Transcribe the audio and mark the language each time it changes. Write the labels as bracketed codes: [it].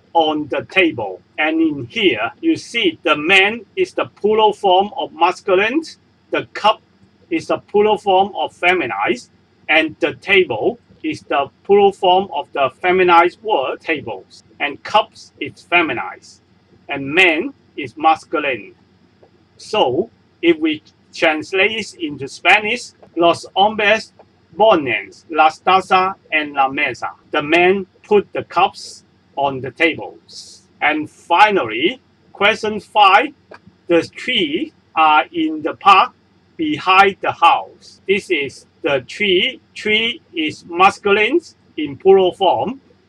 [en] on the table. And in here, you see the man is the plural form of masculine, the cup is the plural form of feminine, and the table is the plural form of the feminine word tables. And cups is feminine, and man is masculine. So if we translate it into Spanish, [es] los hombres ponen las tazas en la mesa. [en] The men put the cups on the tables. And finally, question 5, the trees are in the park behind the house. This is the tree. Tree is masculine in plural form.